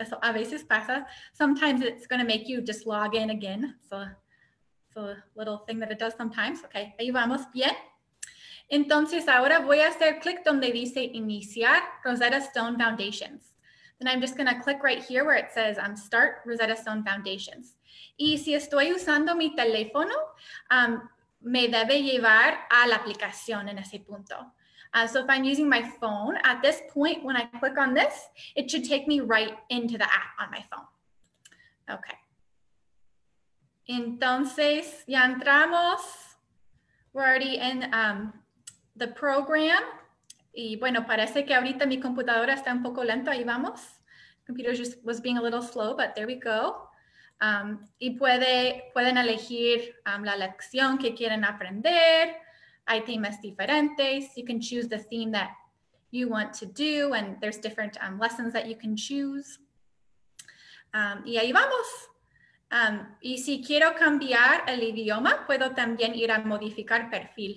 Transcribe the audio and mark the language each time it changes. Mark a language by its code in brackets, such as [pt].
[es] So, a veces pasa. [en] Sometimes it's going to make you just log in again. So a little thing that it does sometimes. [es] Okay. Ahí vamos bien. Entonces ahora voy a hacer clic donde dice iniciar Rosetta Stone Foundations. [en] Then I'm just going to click right here where it says start Rosetta Stone Foundations. [es] Y si estoy usando mi teléfono, me debe llevar a la aplicación en ese punto. [en] So if I'm using my phone, at this point, when I click on this, it should take me right into the app on my phone. [es] Okay. Entonces, ya entramos. [en] We're already in the program. [es] Y bueno, parece que ahorita mi computadora está un poco lento. Ahí vamos. [en] Computer just was being a little slow, but there we go. [es] Y pueden elegir la lección que quieren aprender. Hay temas diferentes. [en] You can choose the theme that you want to do, and there's different lessons that you can choose. [es] Y ahí vamos. Y si quiero cambiar el idioma, puedo también ir a modificar perfil.